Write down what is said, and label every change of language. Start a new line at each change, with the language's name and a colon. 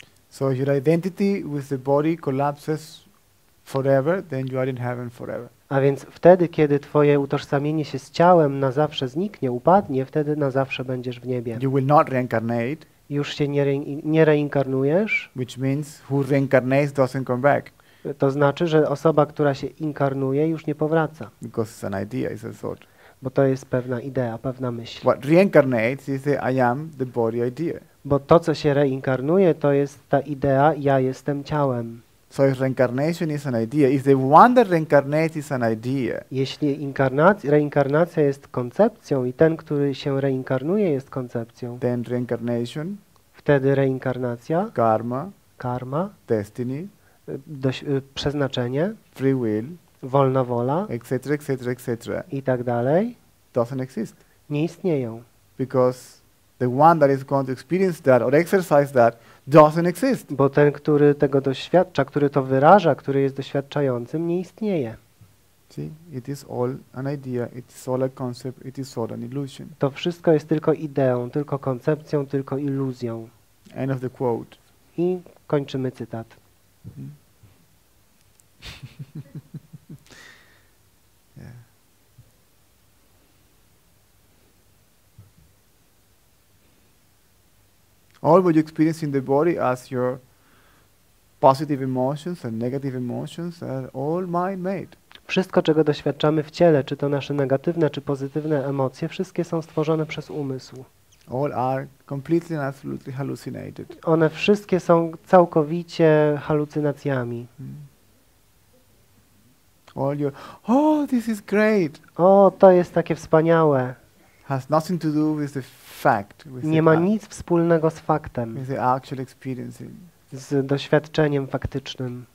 English: So your identity with the body collapses forever, then you are in heaven forever.
Polish: A więc wtedy, kiedy twoje utożsamienie się z ciałem na zawsze zniknie, upadnie, wtedy na zawsze będziesz w niebie.
English: You will not reincarnate.
Polish: Już się nie reinkarnujesz.
English: Which means who reincarnates doesn't come back.
Polish: To znaczy, że osoba, która się inkarnuje, już nie powraca.
English: Because it's an idea, it's a thought.
Polish: Bo to jest pewna idea, pewna myśl.
English: What reincarnates is the I am the body idea.
Polish: Bo to, co się reinkarnuje, to jest ta idea, ja jestem ciałem.
English: So if reincarnation is an idea, if the one that reincarnates is an idea.
Polish: Jeśli reinkarnacja jest koncepcją i ten, który się reinkarnuje, jest koncepcją.
English: Then reincarnation.
Polish: Wtedy reinkarnacja.
English: Karma. Destiny.
Polish: Przeznaczenie.
English: Free will.
Polish: Wolna wola.
English: Etc.
Polish: I tak dalej.
English: Doesn't exist.
Polish: Nie istnieją.
English: Because the one that is going to experience that or exercise that doesn't exist.
Polish: Bo ten, który tego doświadcza, który to wyraża, który jest doświadczającym, nie istnieje.
English: See? It is all an idea, it is all a concept, it is all an illusion.
Polish: To wszystko jest tylko ideą, tylko koncepcją, tylko iluzją.
English: End of the quote.
Polish: I kończymy cytat.
English: All what you experience in the body as your positive emotions and negative emotions are all mind-made.
Polish: Wszystko, czego doświadczamy w ciele, czy to nasze negatywne, czy pozytywne emocje, wszystkie są stworzone przez umysł.
English: All are completely and absolutely hallucinated.
Polish: One wszystkie są całkowicie halucynacjami.
English: All your, oh, this is great.
Polish: O, to jest takie wspaniałe.
English: Has nothing to do with the fact, with
Polish: nie
English: the
Polish: ma nic wspólnego z faktem,
English: with the actual experiencing.
Polish: Z doświadczeniem faktycznym.